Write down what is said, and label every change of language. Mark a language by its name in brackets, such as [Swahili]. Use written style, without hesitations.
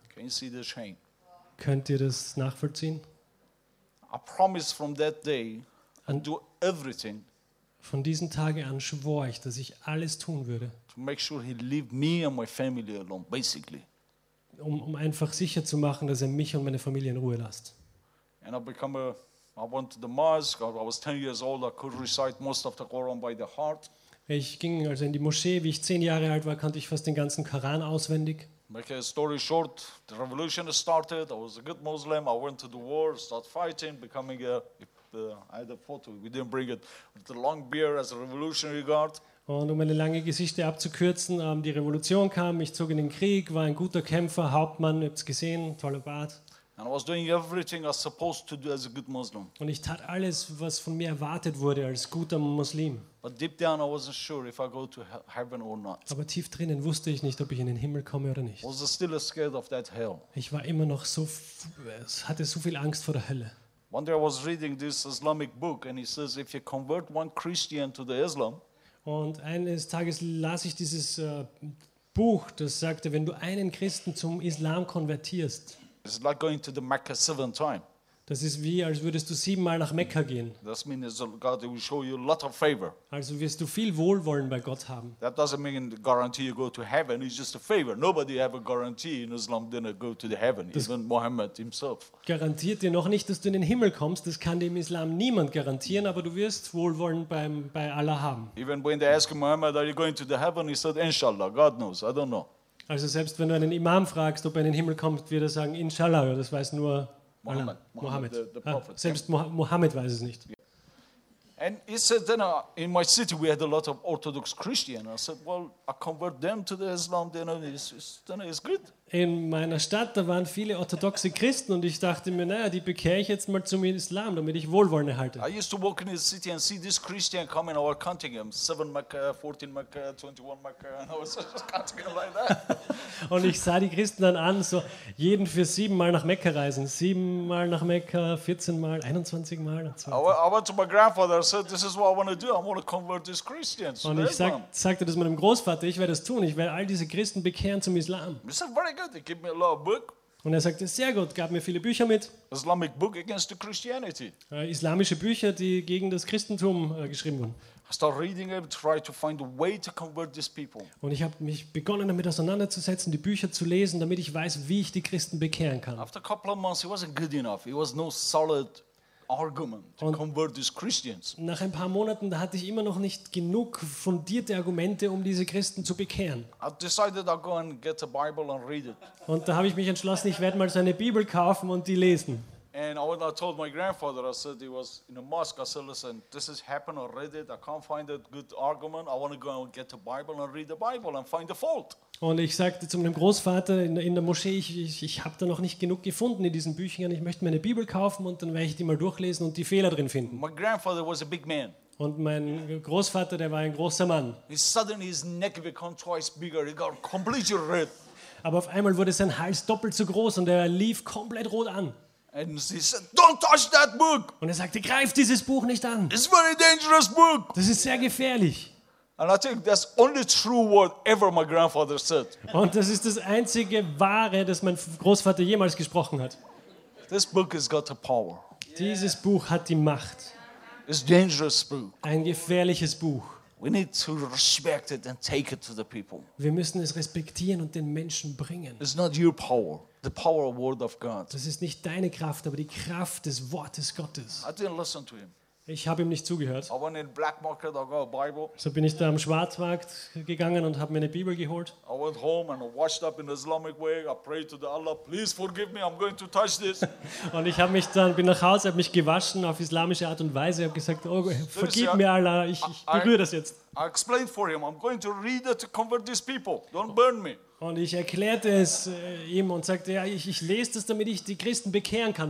[English] Can you see the shame? [German] Könnt ihr das nachvollziehen? [English] I promise from that day and do everything. [German] Von diesem Tage an schwor ich, dass ich alles tun würde. [English] To make sure he leave me and my family alone, basically. [German] Um einfach sicher zu machen, dass er mich und meine Familie in Ruhe lässt. [English] And I went to the mosque. I was 10 years old. I could recite most of the Quran by the heart. [German] Ich ging also in die Moschee. Wie ich 10 Jahre alt war, kannte ich fast den ganzen Koran auswendig. [English] Make a story short, the revolution started, I was a good Muslim, I went to the war, started fighting, becoming I had a photo, we didn't bring it, with the long beard as a revolutionary guard. [German] Und um eine lange Geschichte abzukürzen, die Revolution kam, ich zog in den Krieg, war ein guter Kämpfer, Hauptmann, ihr habt es gesehen, toller Bart. [English] And I was doing everything I was supposed to do as a good Muslim. [German] Und ich tat alles, was von mir erwartet wurde als guter Muslim. [English] But deep down I wasn't sure if I go to heaven or not. [German] Aber tief drinnen wusste ich nicht, ob ich in den Himmel komme oder nicht. [English] I was still scared of that hell. [German] Ich war immer noch so, hatte so viel Angst vor der Hölle. [English] One day I was reading this Islamic book and it says if you convert one Christian to the Islam. [German] Und eines Tages las ich dieses Buch, das sagte, wenn du einen Christen zum Islam konvertierst. [English] It's like going to the Mecca 7 times. [German] Das ist wie, als würdest du 7 Mal nach Mekka gehen. [English] That means God will show you a lot of favor. [German] Also wirst du viel Wohlwollen bei Gott haben. [English] That doesn't mean the guarantee you go to heaven. It's just a favor. Nobody have a guarantee in Islam didn't go to the heaven. Das even Muhammad himself. [German] Garantiert dir noch nicht, dass du in den Himmel kommst. Das kann dem Islam niemand garantieren, aber du wirst Wohlwollen bei Allah haben. [English] Even when they ask Muhammad, are you going to the heaven? He said, Inshallah. God knows. I don't know. [German] Also selbst wenn du einen Imam fragst, ob er in den Himmel kommt, wird er sagen, Inshallah, das weiß nur Mohammed. The selbst Mohammed weiß es nicht. [English] And he said, then in my city we had a lot of Orthodox Christians. I said, well, I convert them to the Islam, then it's good. [German] In meiner Stadt, da waren viele orthodoxe Christen und ich dachte mir, naja, die bekehre ich jetzt mal zum Islam, damit ich Wohlwollen erhalte. [English] I used to walk in the city and see this Christian come and I was counting him, 7 Makkah, 14 Makkah, 21 Makkah, and I was just counting him like that. [German] Und ich sah die Christen dann an, so jeden für 7 Mal nach Mekka reisen, 7 Mal nach Mekka, 14 Mal, 21 Mal. [English] I went to my grandfather, I said, this is what I want to do, I want to convert these Christians. [German] Und ich sagte das meinem Großvater, ich werde das tun, ich werde all diese Christen bekehren zum Islam. [English] Good. He gave me a lot of book. [German] Und er sagte, sehr gut, gab mir viele Bücher mit. [English] Islamic book against the Christianity. [German] Islamische Bücher, die gegen das Christentum geschrieben wurden. [English] I started reading it, tried to find a way to convert these people. [German] Und ich habe mich begonnen, damit auseinanderzusetzen, die Bücher zu lesen, damit ich weiß, wie ich die Christen bekehren kann. [English] After a couple of months, it wasn't good enough. It was no solid argument to convert these Christians. [German] Nach ein paar Monaten, da hatte ich immer noch nicht genug fundierte Argumente, um diese Christen zu bekehren. [English] I decided I'll go and get a Bible and read it. [German] Und da habe ich mich entschlossen, ich werde mal so eine Bibel kaufen und die lesen. [English] And I told my grandfather, I said he was in a mosque. I said, listen, this has happened already. I can't find a good argument. I want to go and get a Bible and read the Bible and find the fault. [German] Und ich sagte zu meinem Großvater in der Moschee, ich habe da noch nicht genug gefunden in diesen Büchern, ich möchte mir eine Bibel kaufen und dann werde ich die mal durchlesen und die Fehler drin finden. [English] My grandfather was a big man. [German] Und mein Großvater, der war ein großer Mann. [English] Suddenly his neck became twice bigger, he got completely red. [German] Aber auf einmal wurde sein Hals doppelt so groß und er lief komplett rot an. [English] And he said, don't touch that book. [German] Und er sagte, greif dieses Buch nicht an. [English] It's a very dangerous book. [German] Das ist sehr gefährlich. [English] And I think that's only true word ever my grandfather said. [German] Und das ist das einzige wahre, das mein Großvater jemals gesprochen hat. [English] This book has got the power. [German] Dieses Buch hat die Macht. [English] It's a dangerous book. [German] Ein gefährliches Buch. [English] We need to respect it and take it to the people. [German] Wir müssen es respektieren und den Menschen bringen. [English] It's not your power. The power of word of God. [German] Das ist nicht deine Kraft, aber die Kraft des Wortes Gottes. [English] I didn't listen to him. [German] Ich habe ihm nicht zugehört. [English] I went in black market, I got a Bible. [German] So bin ich da am Schwarzmarkt gegangen und habe mir eine Bibel geholt. [English] I went home and washed up in Islamic way. I prayed to the Allah, please forgive me. I'm going to touch this. [German] Und ich habe mich dann bin nach Hause, habe mich gewaschen auf islamische Art und Weise. Ich habe gesagt, oh, vergib mir Allah, ich berühre das jetzt. [English] I explained for him, I'm going to read it to convert these people. Don't burn me. [German] Und ich erklärte es ihm und sagte, ja, ich lese das, damit ich die Christen bekehren kann.